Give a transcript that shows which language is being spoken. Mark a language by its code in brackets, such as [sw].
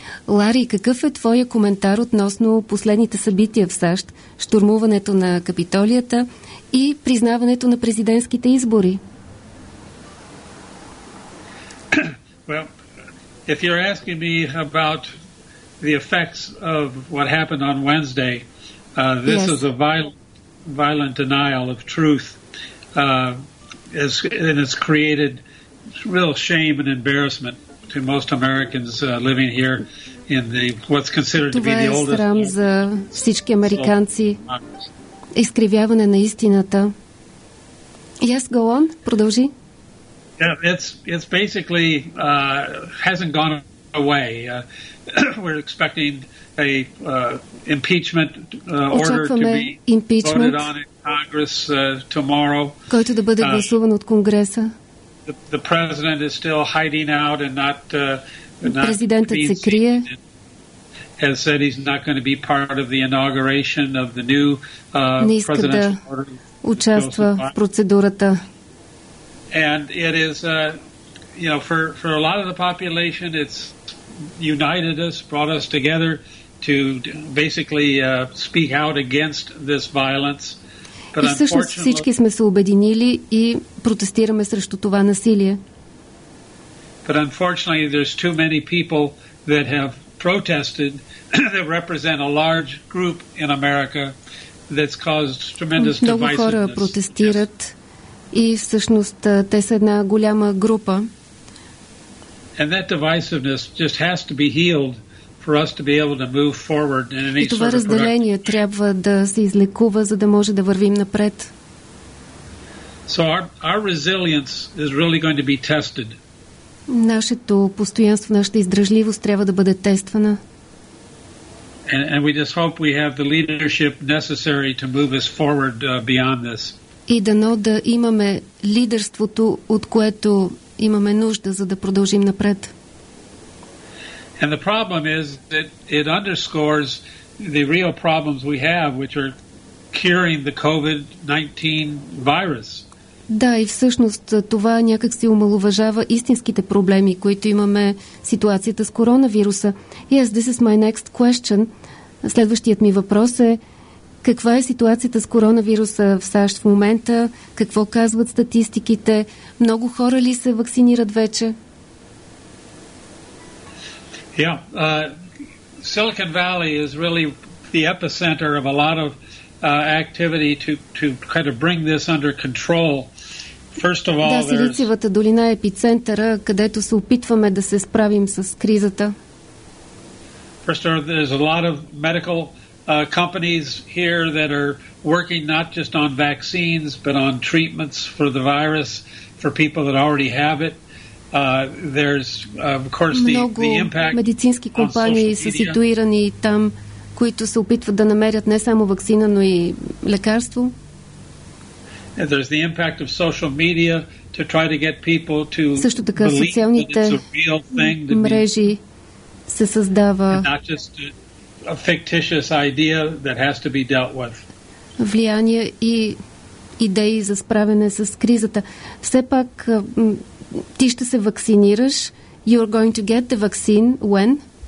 [bg] Лари, какъв е твоя коментар относно последните събития в САЩ, штурмуването на Капитолията и признаването на президентските избори? [en] Well, if you're asking me about the effects of what happened on Wednesday, this is a violent denial of truth, and it's created real shame and embarrassment to most Americans living here in the what's considered [bg] това [en] to be the oldest. [bg] Срам за всички американци. Изкривяване на истината. [en] Yes, go on, [bg] продължи. [en] Yeah, it's basically hasn't gone away. We're expecting a impeachment order to be voted on in Congress tomorrow. [bg] Който да бъде гласуван от Конгреса. [en] The president is still hiding out and not [bg] президентът се крие. [en] Has said he's not going to be part of the inauguration of the new presidential order. [bg] Участва в процедурата. [en] And it is, for a lot of the population, it's united us, brought us together to basically speak out against this violence. But [bg] и всъщност всички сме се обединили и протестираме срещу това насилие. [en] But unfortunately, there's too many people that have protested that represent a large group in America that's caused tremendous divisiveness. [bg] Много хора протестират. [en] Yes. [bg] И всъщност те са една голяма група. [en] And that divisiveness just has to be healed for us to be able to move forward in any. [bg] И това разделение трябва да се излекува, за да може да вървим напред. [en] So our resilience is really going to be tested. [bg] Нашето постоянство, нашата издръжливост трябва да бъде тествана. [en] And we just hope we have the leadership necessary to move us forward beyond this. [bg] И дано да имаме лидерството, от което имаме нужда, за да продължим напред. [en] And the problem is that it underscores the real problems we have, which are curing the COVID-19 virus. [bg] Да, и всъщност това някак си омаловажава истинските проблеми, които имаме ситуацията с коронавируса. [en] Yes, this is my next question. [bg] Следващият ми въпрос е: каква е ситуацията с коронавируса в САЩ в момента? Какво казват статистиките? Много хора ли се вакцинират вече? [en] Yeah, Silicon Valley is really the epicenter of a lot of activity to kind of bring this under control. First of all, [bg] да, Силициевата долина е епицентъра, където се опитваме да се справим с кризата. [en] First of all, there's a lot of medical companies here that are working not just on vaccines, but on treatments for the virus for people that already have it. There's of course the impact. [bg] Медицински компании са ситуирани там, които се опитват да намерят не само ваксина, но и лекарство. [en] And there's the impact of social media to try to get people to [bg] също така социалните мрежи се създава [en] a fictitious idea that has to be dealt with. [bg] Влияние и идеи за справяне с кризата. Все пак ти ще се вакцинираш. [en] You're going to get the vaccine when?